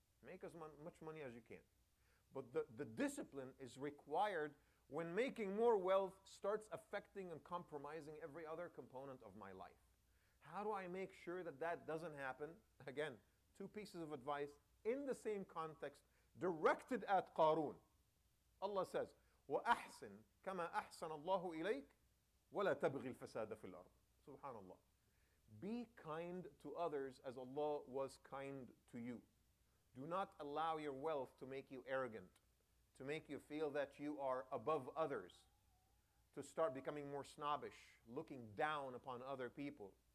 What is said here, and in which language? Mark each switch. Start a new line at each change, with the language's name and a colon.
English: Make as much money as you can. But the discipline is required when making more wealth starts affecting and compromising every other component of my life. How do I make sure that that doesn't happen? Again, two pieces of advice in the same context directed at Qarun. Allah says,
Arabic: وَأَحْسِنْ كَمَا أَحْسَنَ اللَّهُ إِلَيْكَ وَلَا تَبْغِي الْفَسَادَ فِي الْأَرْضِ. Subhanallah.
English: Be kind to others as Allah was kind to you. Do not allow your wealth to make you arrogant, to make you feel that you are above others, to start becoming more snobbish, looking down upon other people.